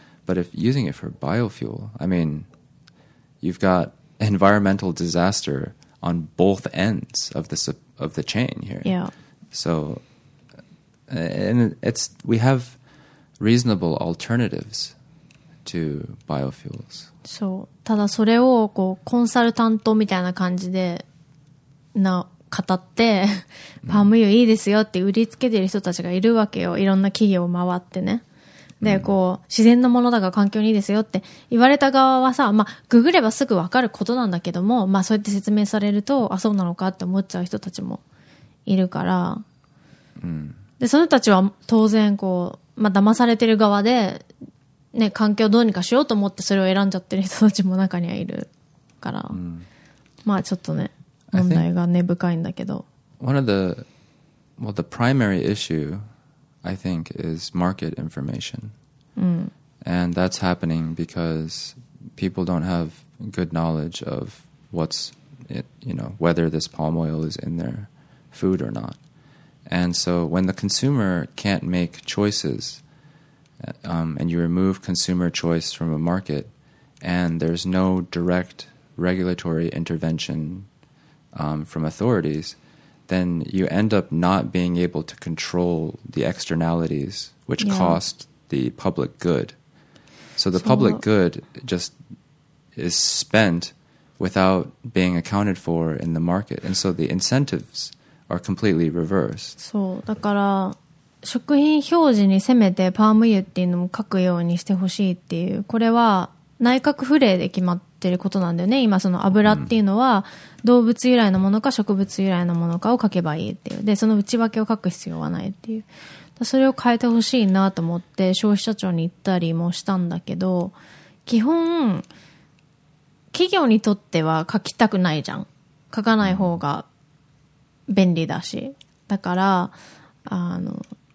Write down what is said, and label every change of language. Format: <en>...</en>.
<en>But if using it for biofuel, I mean, you've got environmental disaster on both ends of the chain here. Yeah. So. And it's we have reasonable alternatives to biofuels.</en> <ja>そう、ただそれをこうコンサルタントみたいな感じでな語ってパーム油いいですよって売りつけてる人たちがいるわけよ。いろんな企業を回ってね。で、こう自然のものだから環境にいいですよって言われた側はさ、まあググればすぐわかることなんだけども、まあそうやって説明されるとあそうなのかって思っちゃう人たちもいるから。うん。でその人たちは当然こう、まあ、騙されてる側で、ね、環境をどうにかしようと思ってそれを選んじゃってる人たちも中にはいるから、 mm. まあちょっとね問題が根深いんだけど、</ja> <en>one of the, well, the primary issue I think is market information、 mm. and that's happening because people don't have good knowledge of what's it, you know, whether this palm oil is in their food or notAnd so when the consumer can't make choices, and you remove consumer choice from a market, and there's no direct regulatory intervention, from authorities, then you end up not being able to control the externalities which yeah. cost the public good. So the public good just is spent without being accounted for in the market. And so the incentives... are completely reversed.</en> <ja>そう、だから食品表示にせめてパーム油っていうのも書くようにしてほしいっていう、これは内閣府令で決まってることなんだよね。今その油っていうのは動物由来のものか植物由来のものかを書けばいいっていう、でその内訳を書く必要はないっていう、それを変えてほしいなと思って消費者庁に行ったりもしたんだけど、基本企業にとっては書きたくないじゃん、書かない方が便利だし、だからあの</ja>